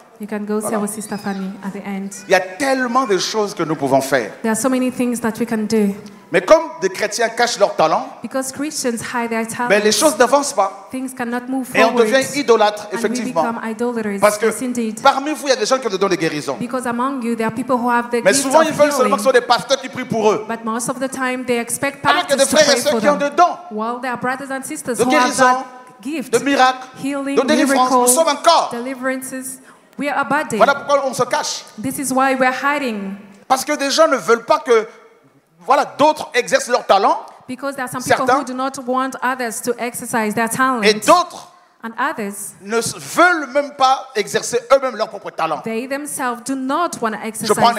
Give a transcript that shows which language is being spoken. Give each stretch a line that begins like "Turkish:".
English: You can go see our sister Fanny at the end.
French: Il y a tellement de choses que nous pouvons faire.
English: There are so many things that we can do.
French: Mais comme des chrétiens cachent leurs talents,
English: because Christians hide their talents,
French: mais les choses n'avancent pas.
English: Things cannot move forward.
French: Et on devient idolâtre, effectivement.
English: And we become idolaters.
French: Parce que
English: yes, indeed.
French: Parmi vous, il y a des gens qui ont des dons de guérison.
English: Because among you, there are people who have the
French: mais souvent, ils veulent seulement que ce soit des pasteurs qui prient pour eux.
English: But most of the time, they expect pastors
French: alors qu'il y a des frères et sœurs qui ont des dons
English: while there are brothers and sisters
French: de guérison,
English: who have that gift,
French: de miracles,
English: healing,
French: de délivrance.
English: Miracles,
French: nous sommes encore.
English: Deliverances. We are abiding.
French: Voilà pourquoi on se cache.
English: This is why we are hiding.
French: Parce que des gens ne veulent pas que voilà, d'autres exercent leur talent.
English: Because there are some people who do not want others to exercise their talent.
French: Et d'autres
English: and others,
French: ne veulent même pas exercer eux-mêmes leur propre talent.
English: They themselves do not want to exercise their